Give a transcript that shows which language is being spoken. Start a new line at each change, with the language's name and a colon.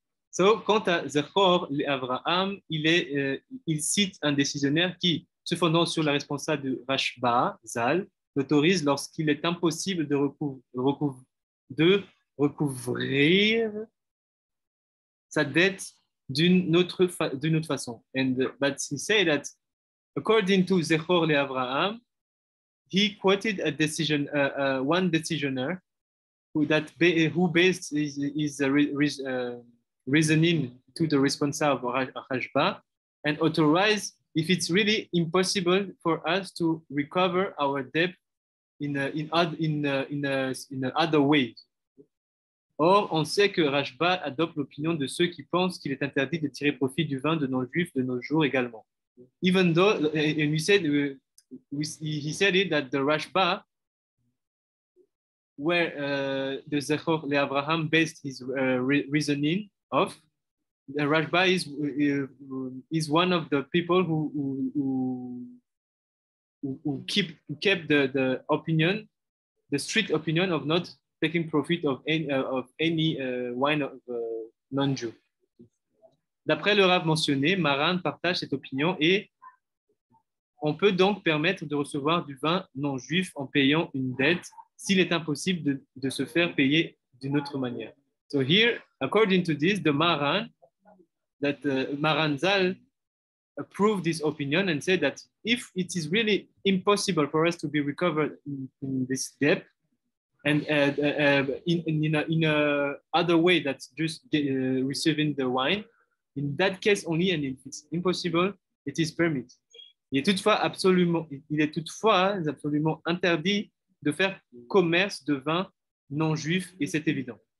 French: So, quant à Zechor l'Avraham, il cite un décisionnaire qui, se fondant sur la responsable de Rashba, Zal, l'autorise lorsqu'il est impossible de recouvrir sa dette d'une autre façon.
English: But he said that according to Zechor l'Avraham, he quoted a decision, one decisioner who based his reasoning to the responsable Rashba, and authorized if it's really impossible for us to recover our debt in other way.
French: Or, on sait que Rashba adopte l'opinion de ceux qui pensent qu'il est interdit de tirer profit du vin de non-juifs de nos jours également.
English: Even though, and he said it that the Rashba, where the Zechor l'Avraham based his reasoning of, the Rashba is one of the people who kept the opinion, the strict opinion of not taking profit of any wine of non-Jew.
French: D'après le Rav mentionné, Maran partage cette opinion, et on peut donc permettre de recevoir du vin non-juif en payant une dette s'il est impossible de se faire payer d'une autre manière.
English: So here, according to this, the Maran, that Maran Zal approved this opinion and said that if it is really impossible for us to be recovered in this debt, and in a other way that just receiving the wine, in that case only, and if it's impossible, it is permitted.
French: Il est toutefois absolument interdit de faire commerce de vin non juif, et c'est évident.